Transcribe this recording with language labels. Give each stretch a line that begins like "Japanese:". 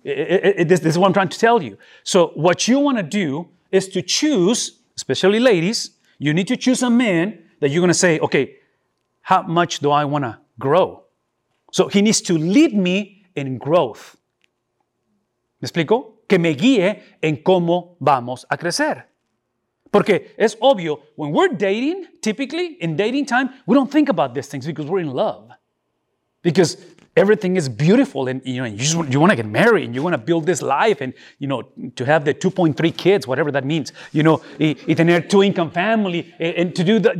English: This is what I'm trying to tell you. So what you want to do is to choose, especially ladies, you need to choose a man that you're going to say, okay, how much do I want to grow? So he needs to lead me in growth.
Spanish: ¿Me explico? Que me guíe en cómo vamos a crecer. Porque es obvio,
English: when we're dating, typically, in dating time, we don't think about these things because we're in love. Because everything is beautiful and, you know, you want to get married and you want to build this life and, you know, to have the 2.3 kids, whatever that means, you know, y tener two income family and to do that.